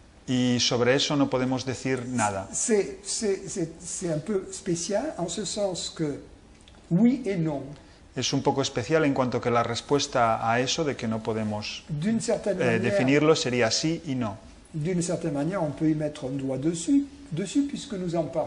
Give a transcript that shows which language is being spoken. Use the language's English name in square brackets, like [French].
[Spanish] Y sobre eso no podemos decir nada. [French] C'est un peu spécial en ce sens que oui et non. [Spanish] Es un poco especial en cuanto que la respuesta a eso de que no podemos definirlo sería sí y no. [French] D'une certaine manière, on peut y mettre un doigt dessus puisque nous en parlons.